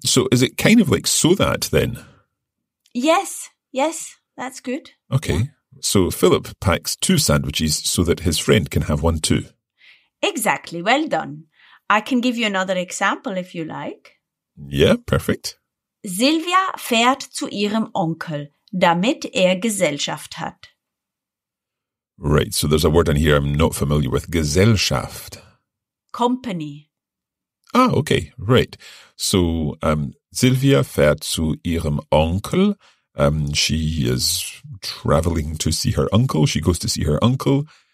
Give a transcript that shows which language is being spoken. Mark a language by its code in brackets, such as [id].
[en] So is it kind of like so that then? Yes, yes, that's good. Okay, yeah. So Philipp packs two sandwiches so that his friend can have one too. Exactly, well done. I can give you another example if you like. Yeah, perfect. [de] Silvia fährt zu ihrem Onkel, damit Gesellschaft hat. [en] Right, so there's a word in here I'm not familiar with. [de] Gesellschaft. [en] Company. Ah, okay, right. So, [de] Silvia fährt zu ihrem Onkel. [en] She is traveling to see her uncle. She goes to see her uncle.